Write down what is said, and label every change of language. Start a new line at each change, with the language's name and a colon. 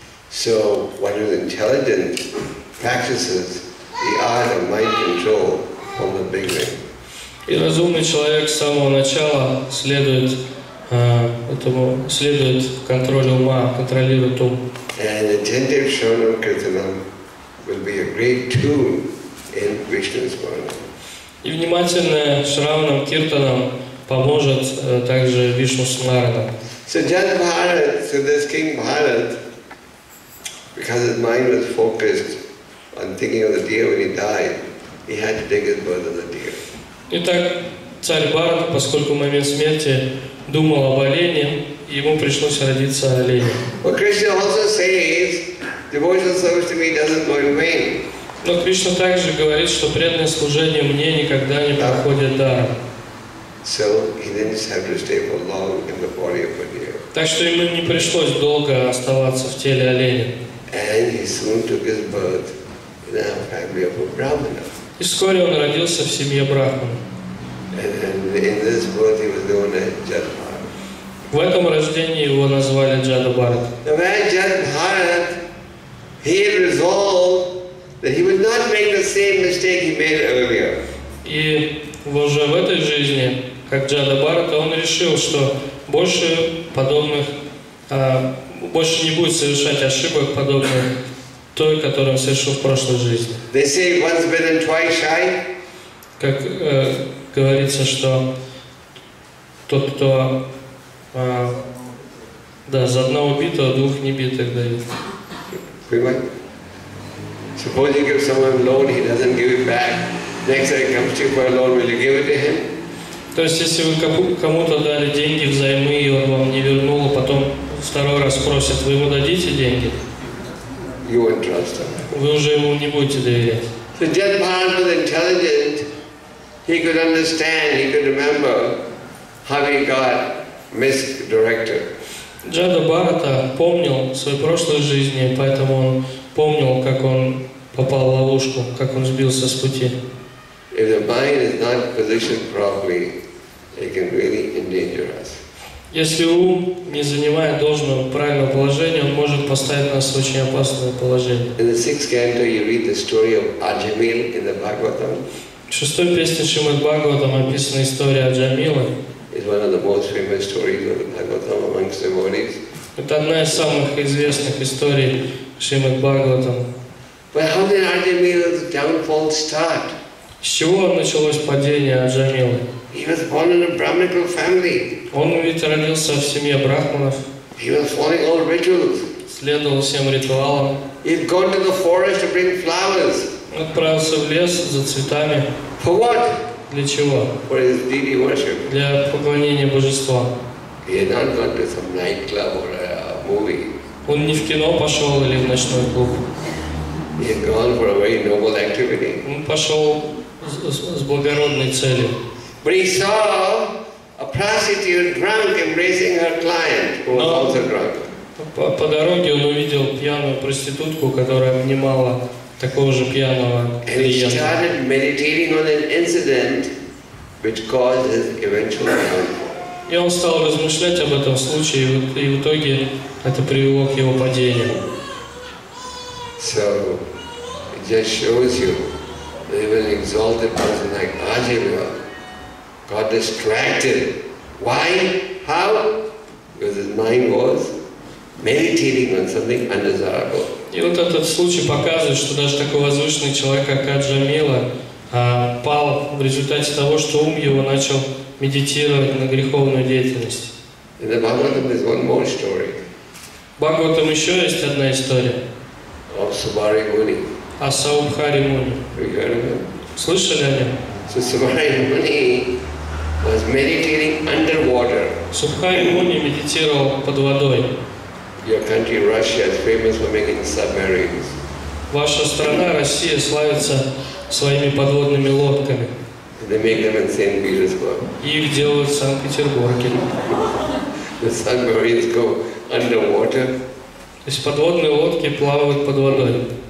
English: So, one who is intelligent practices the art of mind control from the beginning.
Russian: И разумный человек с самого начала следует этому, следует контролю ума, контролирует ум.
English: And attentive Shravana Kirtanam will be a great tune in Vishnu's Varna.
Russian: И внимательное Шравана Киртанам поможет также Вишну Смарана.
English: So just Bharat, so this King Bharat, because his mind was focused on thinking of the deer when he died, he had to take his birth as a deer.
Russian: Итак, царь Бхарат, поскольку в момент смерти думал об олене, ему пришлось родиться оленем.
English: But Krishna also says, devotional service to me doesn't go in vain.
Russian: Но Кришна также говорит, что преданное служение мне никогда не проходит даром.
English: So he didn't just have to stay for long in the body of a deer.
Russian: Так что ему не пришлось долго оставаться в теле оленя.
English: And he soon took his birth in a family of a brahmana.
Russian: И вскоре он родился в семье брахмана.
English: And in this birth he was known as Jadbharat.
Russian: В этом рождении его назвали Джадабарат.
English: The man Jadbharat, he resolved that he would not make the same mistake he made earlier.
Russian: И уже в этой жизни, как Джадабарат, он решил, что больше подобных, больше не будет совершать ошибок подобных той, которую он совершил в прошлой жизни.
English: They say once bitten, twice shy.
Russian: Как говорится, что тот, кто да, за одного битого, двух небитых дает.
English: Suppose you give someone a loan, he doesn't give it back. Next time he comes to you for a loan, will you give it to him?
Russian: То есть если вы кому-то дали деньги взаймы и он вам не вернул, потом второй раз спросит, вы ему дадите деньги?
English: You won't trust him.
Russian: Вы уже ему не будете доверять.
English: So Jadbharat was intelligent. He could understand. He could remember how he got misdirected.
Russian: Джадабарата помнил свою прошлую жизнь, поэтому он помнил, как он попал в ловушку, как он сбился с пути.
English: If the mind is not positioned properly, it can really endanger us.
Russian: Если ум не занимает должного правильного положения, он может поставить нас в очень опасное положение.
English: In the sixth canto, you read the story of Ajamil in the Bhagavatam.
Russian: В шестой песне Шримад Бхагаватам описана история Аджамилы.
English: It's one of the most famous stories of the Bhagavatam amongst the devotees.
Russian: Это одна из самых известных историй Шримад Бхагаватам.
English: But how did Ajamila's downfall start?
Russian: С чего началось падение Аджамилы?
English: He was born in a Brahminical family.
Russian: Он ведь родился в семье брахманов.
English: He was following all rituals.
Russian: Следовал всем ритуалам.
English: He'd gone to the forest to bring flowers.
Russian: Отправился в лес за цветами.
English: For what?
Russian: Для чего?
English: For his deity worship.
Russian: Для поклонения божества.
English: He had not gone to some nightclub or a movie.
Russian: Он не в кино пошел или в ночной клуб.
English: He had gone for a very noble activity.
Russian: Он пошел с благородной целью.
English: But he saw a prostitute drunk embracing her client, who was also drunk.
Russian: По дороге он увидел пьяную проститутку, которая обнимала такого же пьяного клиента.
English: And he started meditating on an incident which caused his eventual downfall.
Russian: И он стал размышлять об этом случае, и в итоге это привело к его падению.
English: So, it just shows you that even an exalted person like Ajivya got distracted. Why? How? Because his mind was meditating on something undesirable.
Russian: И вот этот случай показывает, что даже такой возвышенный человек, как Аджамила, пал в результате того, что ум его начал медитировать на греховную деятельность.
English: In the Bhagavatam is one more story.
Russian: В Бхагаватам еще есть одна история.
English: Of Subhari Muni.
Russian: О Саубхари Муни.
English: We heard of him.
Russian: Слышали о нем?
English: So Subhari Muni was meditating underwater.
Russian: Субхари Муни медитировал под водой.
English: Your country, Russia, is famous for making submarines.
Russian: Ваша страна, Россия, славится своими подводными лодками.
English: They make them in St. Petersburg.
Russian: Их делают в Санкт-Петербурге.
English: The submarines go underwater.
Russian: То есть подводные лодки плавают под водой.